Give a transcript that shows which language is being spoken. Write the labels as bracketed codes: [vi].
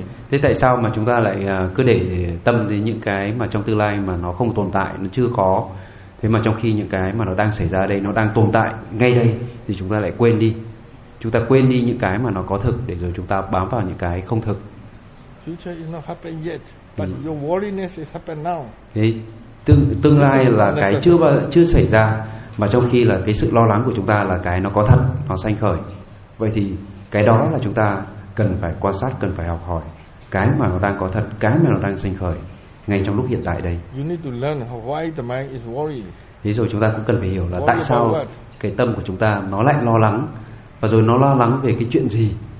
[vi] thế tại sao mà chúng ta lại cứ để tâm đến những cái mà trong tương lai mà nó không tồn tại, nó chưa có, thế mà trong khi những cái mà nó đang xảy ra đây, nó đang tồn tại ngay đây, thì chúng ta lại quên đi. Chúng ta quên đi những cái mà nó có thực để rồi chúng ta bám vào những cái không thực. [en] Future is not happened yet, but your worryness is happened now. [vi] Thế tương lai là cái chưa xảy ra, mà trong khi là cái sự lo lắng của chúng ta là cái nó có thật, nó sanh khởi. Vậy thì cái đó là chúng ta cần phải quan sát, cần phải học hỏi cái mà nó đang có thật, cái mà nó đang sanh khởi ngay trong lúc hiện tại đây. [en] You need to learn why the mind is worried. [vi] Thế rồi chúng ta cũng cần phải hiểu là tại sao cái tâm của chúng ta nó lại lo lắng, và rồi nó lo lắng về cái chuyện gì.